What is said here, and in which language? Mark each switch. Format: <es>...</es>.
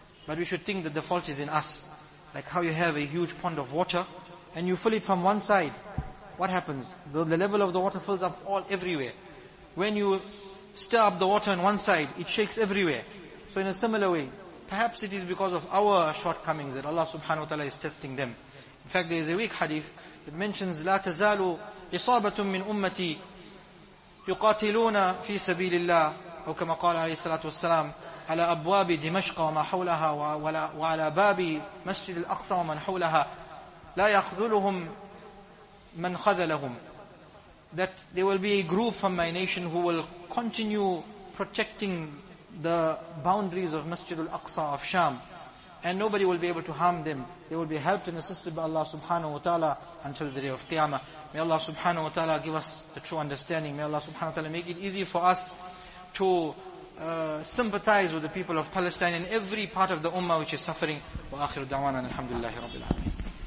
<en>But we should think that the fault is in us. Like how you have a huge pond of water and you fill it from one side. What happens? The level of the water fills up all everywhere. When you stir up the water on one side, it shakes everywhere. So in a similar way, perhaps it is because of our shortcomings that Allah subhanahu wa ta'ala is testing them. In fact, there is a weak hadith that mentions,</en> <ar>لا تزال إصابة من أمتي يقاتلون في سبيل الله أو كما قال عليه الصلاة والسلام على أبواب دمشق وما حولها وعلى باب مسجد الأقصى ومن حولها لا يخذلهم من خذلهم.</ar> <en>That there will be a group from my nation who will continue protecting the boundaries of Masjid al-Aqsa of Sham. And nobody will be able to harm them. They will be helped and assisted by Allah subhanahu wa ta'ala until the day of Qiyamah. May Allah subhanahu wa ta'ala give us the true understanding. May Allah subhanahu wa ta'ala make it easy for us to sympathize with the people of Palestine and every part of the ummah which is suffering.</en> <ar>Wa akhiru da'wana alhamdulillahi rabbil alameen.</ar>